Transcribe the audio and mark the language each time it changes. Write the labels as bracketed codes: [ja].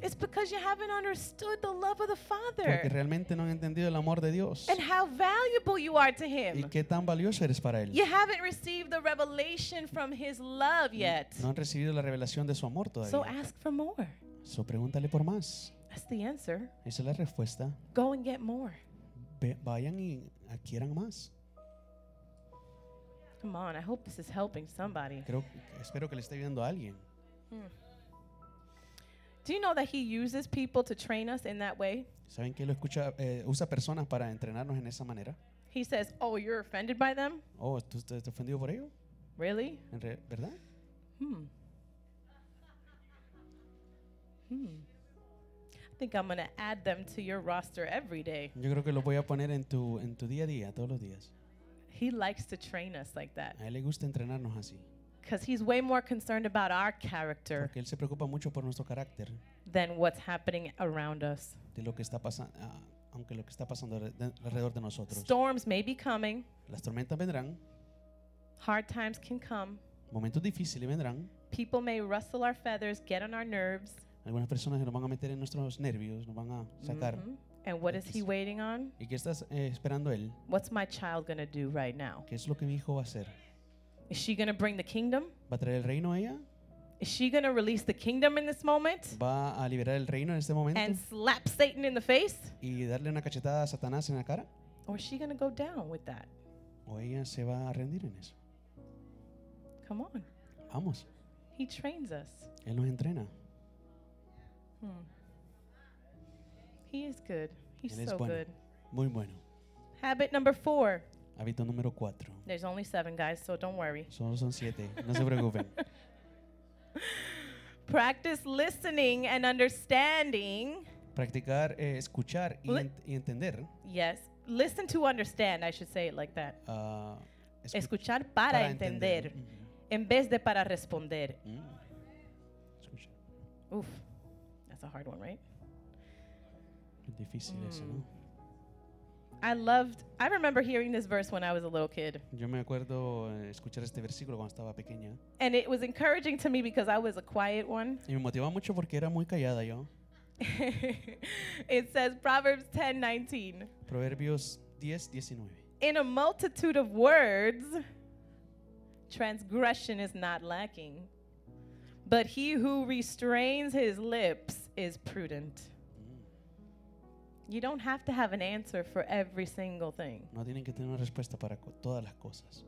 [en] it's because you haven't understood the love of the Father. [es] Porque realmente no han entendido el amor de Dios. [en] And how valuable you are to Him. [es] Y qué tan valioso eres para Él. [en] You haven't received the revelation from His love yet. [es] No han recibido la revelación de su amor todavía. [en] So ask for more. [es] So pregúntale por más. [en] That's the answer. [es] Esa es la respuesta. [en] Go and get more. [es] Vayan y adquieran más. [en] Come on, I hope this is helping somebody. [es] Espero que le esté ayudando a alguien. [en] Do you know that he uses people to train us in that way? [es] ¿Saben que él escucha, usa personas para entrenarnos en esa manera? [en] He says, oh, you're offended by them? [es] Oh, ¿tú estás ofendido por ello? [en] Really? [es] ¿Verdad? [en] I think I'm going to add them to your roster every day. [es] Yo creo que lo voy a poner en tu día a día, todos los días. [en] He likes to train us like that. [es] A él le gusta entrenarnos así. [en] Because he's way more concerned about our character. [es] Porque él se preocupa mucho por nuestro carácter. [en] Than what's happening around us. [es] De lo que está pasando, aunque lo que está pasando alrededor de nosotros. [en] Storms may be coming. [es] Las tormentas vendrán. [en] Hard times can come. [es] Momentos difíciles vendrán. [en] People may rustle our feathers, get on our nerves. [es] Algunas personas nos van a meter en nuestros nervios, nos van a sacar. Mm-hmm. [en] And what is he waiting on? [es] ¿Y qué estás esperando él? [en] What's my child going to do right now? [es] ¿Qué es lo que mi hijo va a hacer? [en] Is she going to bring the kingdom? [es] ¿Va a traer el reino a ella? [en] Is she going to release the kingdom in this moment? [es] ¿Va a liberar el reino en este momento? [en] And slap Satan in the face? [es] ¿Y darle una cachetada a Satanás en la cara? [en] Or is she going to go down with that? [es] ¿O ella se va a rendir en eso? [en] Come on. [es] Vamos. [en] He trains us. [es] Él nos entrena. [en] He is good. He's so [es] bueno. [en] Good. [es] Muy bueno. [en] Habit number four. [es] Hábito número cuatro. [en] There's only seven, guys, so don't worry. [es] Solo son siete. No se preocupen. [en] Practice listening and understanding. [es] Practicar escuchar y entender. [en] Yes. Listen to understand. I should say it like that. [es] Escuchar para entender. En vez de para responder. Mm. [en] Oof. That's a hard one, right? [es] Difícil eso, ¿no? [en] I remember hearing this verse when I was a little kid. [es] Yo me acuerdo escuchar este versículo cuando estaba pequeña. [en] And it was encouraging to me because I was a quiet one. [es] Y me motivaba mucho porque era muy callada yo. [en] It says Proverbs 10:19. [es] Proverbios 10:19. [en] In a multitude of words, transgression is not lacking, but he who restrains his lips is prudent. You don't have to have an answer for every single thing. [es] No tienen que tener una respuesta para todas las cosas.